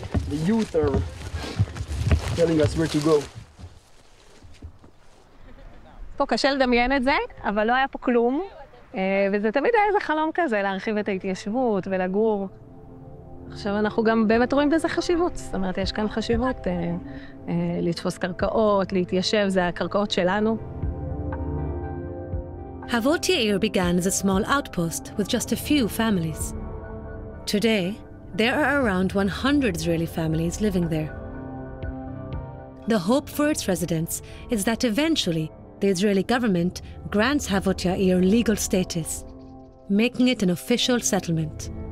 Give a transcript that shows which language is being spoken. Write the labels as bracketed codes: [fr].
[en] The youth are telling us where to go. [he] פה קשה לדמיין את זה, אבל לא היה פה כלום. וזה תמיד היה איזה חלום כזה, להרחיב את ההתיישבות ולגור. עכשיו אנחנו גם באמת רואים בזה חשיבות. זאת אומרת, יש כאן חשיבות לתפוס קרקעות, להתיישב, זה הקרקעות שלנו. [en] Havot Yair began as a small outpost with just a few families. Today, there are around 100 Israeli families living there. The hope for its residents is that eventually the Israeli government grants Havot Yair legal status, making it an official settlement.